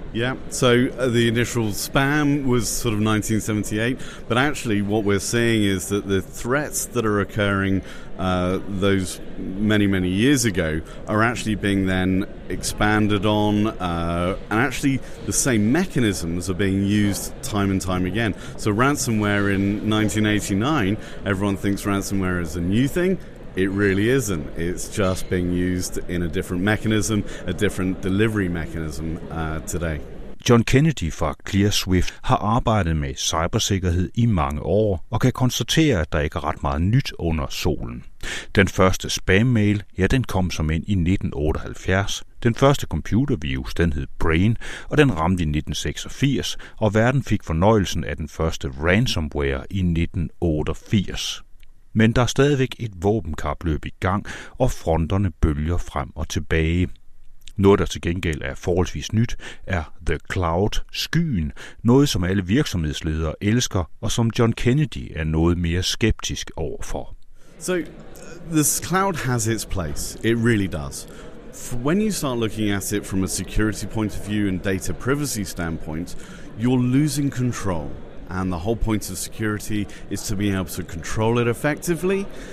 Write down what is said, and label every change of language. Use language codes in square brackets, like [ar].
[en] Yeah, so the initial spam was sort of 1978, but actually what we're seeing is that the threats that are occurring those many, many years ago are actually being then expanded on, and actually the same mechanisms are being used time and time again. So ransomware in 1989, everyone thinks ransomware is a new thing. It really isn't. It's just being used in a different mechanism, a different delivery mechanism today. [da] John Kennedy fra ClearSwift har arbejdet med cybersikkerhed i mange år og kan konstatere, at der ikke er ret meget nyt under solen. Den første spam-mail, ja, den kom som ind i 1978. Den første computervirus, den hed Brain, og den ramte i 1986, og verden fik fornøjelsen af den første ransomware i 1988. Men der er stadigvæk et våbenkapløb i gang, og fronterne bølger frem og tilbage. Noget, der til gengæld er forholdsvis nyt, er The Cloud, skyen, noget som alle virksomhedsledere elsker, og som John Kennedy er noget mere skeptisk overfor. [en] So, this cloud has its place. It really does. When you start looking at it from a security point of view and data privacy standpoint, you're losing control. And the whole point of security is to be able to control it effectively.